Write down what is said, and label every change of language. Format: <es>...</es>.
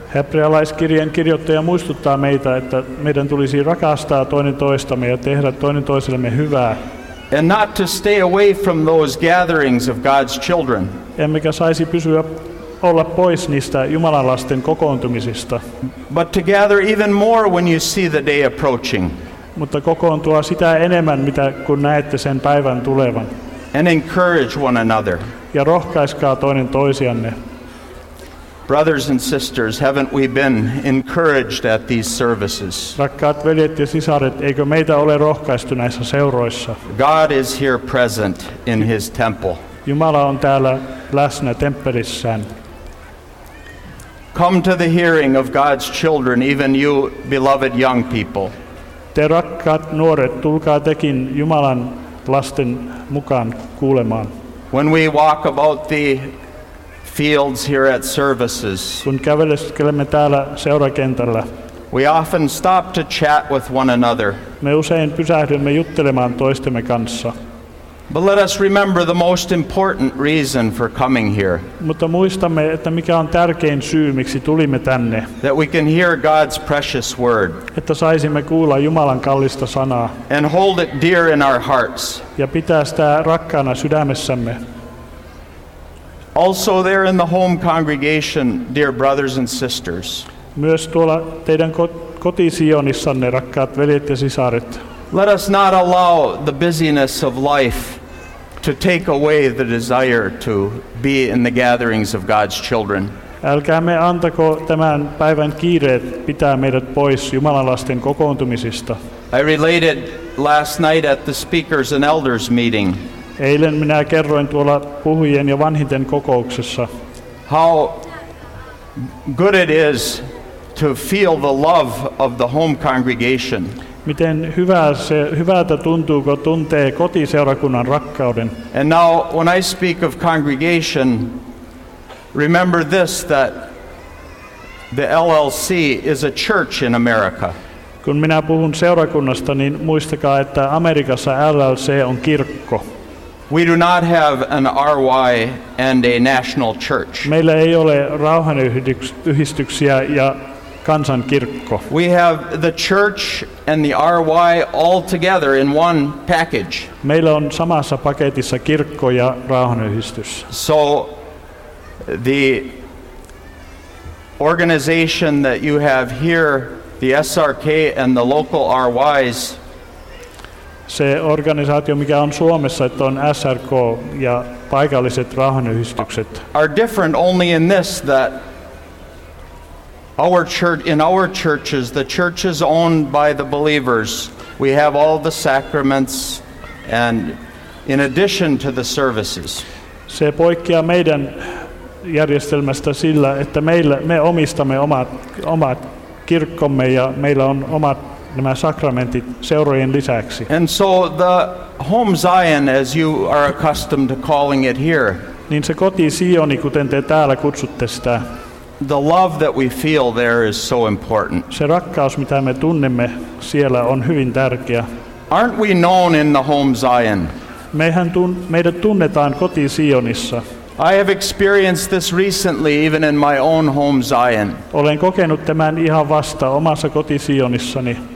<fi>Hebrealaiskirjeen kirjoittaja muistuttaa meitä, että meidän tulisi rakastaa toinen toistamme ja tehdä toinen toisillemme hyvää.</fi> <en>And not to stay away from those gatherings of God's children.</en> <fi>Emmekä saisi pysyä olla pois niistä Jumalan lasten kokoontumisista.</fi> <en>But to gather even more when you see the day approaching.</en> <fi>Mutta kokoontua sitä enemmän, mitä kun näette sen päivän tulevan.</fi> <en>And encourage one another.</en> <fi>Ja rohkaiskaa toinen toisianne.</fi> <en>Brothers and sisters, haven't we been encouraged at these services?</en> <fi>Rakkaat veljet ja sisaret, eikö meitä ole rohkaistu näissä seuroissa?</fi> <en>God is here present in his temple.</en> <fi>Jumala on täällä läsnä temppelissään.</fi> <en>Come to the hearing of God's children, even you beloved young people.</en> <fi>Te rakkaat nuoret, tulkaa tekin Jumalan lasten mukaan kuulemaan.</fi> <en>When we walk about the fields here at services,</en> <fi>kun käveleskelemme täällä seurakentällä,</fi> <en>we often stop to chat with one another.</en> <fi>Me usein pysähdymme juttelemaan toistemme kanssa.</fi> <en>But let us remember the most important reason for coming here.</en> <fi>Mutta muistamme, että mikä on tärkein syy, miksi tulimme tänne.</fi> <en>That we can hear God's precious word.</en> <fi>Että saisimme kuulla Jumalan kallista sanaa.</fi> <en>And hold it dear in our hearts.</en> <fi>Ja pitää sitä rakkaana sydämessämme.</fi> <en>Also there in the home congregation, dear brothers and sisters.</en> <fi>Myös tuolla teidän kotisionissanne, rakkaat veljet ja sisaret.</fi> <en>Let us not allow the busyness of life to take away the desire to be in the gatherings of God's children.</en> <fi>Älkäämme antako tämän päivän kiireet pitää meidät pois Jumalan lasten kokoontumisista.</fi> <en>I related last night at the speakers and elders meeting.</en> <fi>Eilen minä kerroin tuolla puhujien ja vanhinten kokouksessa.</fi> <en>How good it is to feel the love of the home congregation.</en> <fi>Miten hyvältä tuntuu, kun tuntee kotiseurakunnan rakkauden.</fi> <en>And now when I speak of congregation, remember this, that the LLC is a church in America.</en> <fi>Kun minä puhun seurakunnasta, niin muistakaa, että Amerikassa LLC on kirkko.</fi> <en>We do not have an RY and a national church.</en> <fi>Meillä ei ole rauhanyhdistyksiä ja kansankirkko.</fi> <en>We have the church and the RY all together in one package.</en> <fi>Meillä on samassa paketissa kirkko ja rauhanyhdistys.</fi> <en>So the organization that you have here, the SRK and the local RYs.</en> <fi>Se organisaatio, mikä on Suomessa, että on SRK ja paikalliset rauhanyhdistykset.</fi> <en>Are different only in this, that our church, in our churches, the church is owned by the believers. We have all the sacraments and in addition to the services.</en> <fi>Se poikkeaa meidän järjestelmästä sillä, että meillä, me omistamme omat kirkkomme ja meillä on omat nämä sakramentit seurojen lisäksi.</fi> <en>And so the home Zion, as you are accustomed to calling it here.</en> <fi>Niin se koti Sioni, kuten te täällä kutsutte sitä.</fi> <en>The love that we feel there is so important.</en> <fi>Se rakkaus, mitä me tunnemme siellä, on hyvin tärkeä.</fi> <en>Aren't we known in the home Zion?</en> <fi>Meidät tunnetaan koti Sionissa.</fi> <en>I have experienced this recently even in my own home Zion.</en> <fi>Olen kokenut tämän ihan vasta omassa kotisionissani.</fi>